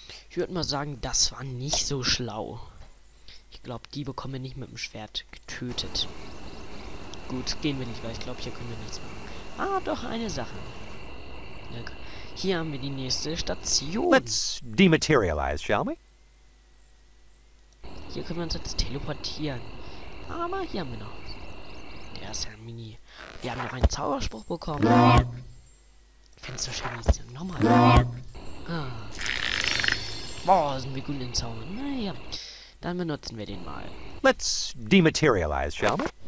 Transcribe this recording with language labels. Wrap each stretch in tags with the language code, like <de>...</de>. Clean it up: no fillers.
<de>Ich würde mal sagen, das war nicht so schlau. Ich glaube, die bekommen wir nicht mit dem Schwert getötet. Gut, gehen wir nicht, weil ich glaube, hier können wir nichts machen. Ah, doch eine Sache. Hier haben wir die nächste Station.</de> <en>Let's dematerialize, shall we?</en> <de>Hier können wir uns jetzt teleportieren. Aber hier haben wir noch. Der ist ja mini. Wir haben noch einen Zauberspruch bekommen. Findest du schön, ist ja nochmal. Boah, sind wir gut in Zaubern. Naja, dann benutzen wir den mal.</de> <en>Let's dematerialize, shall we?</en>